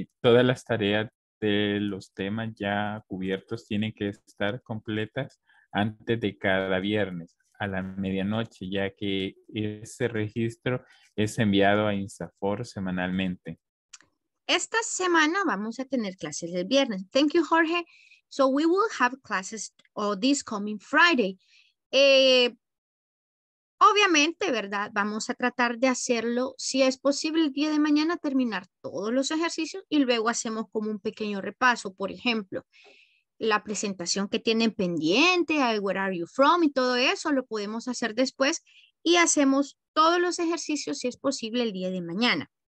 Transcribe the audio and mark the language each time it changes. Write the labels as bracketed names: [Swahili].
[Spanish] Todas las tareas de los temas ya cubiertos tienen que estar completas antes de cada viernes a la medianoche, ya que ese registro es enviado a INSAFOR semanalmente. Esta semana vamos a tener clases el viernes. [English] Thank you, Jorge. So we will have classes this coming Friday. [Spanish] Obviamente, ¿verdad? Vamos a tratar de hacerlo, si es posible, el día de mañana terminar todos los ejercicios y luego hacemos como un pequeño repaso. Por ejemplo, la presentación que tienen pendiente, [English] where are you from [Spanish] y todo eso, lo podemos hacer después y hacemos todos los ejercicios, si es posible, el día de mañana.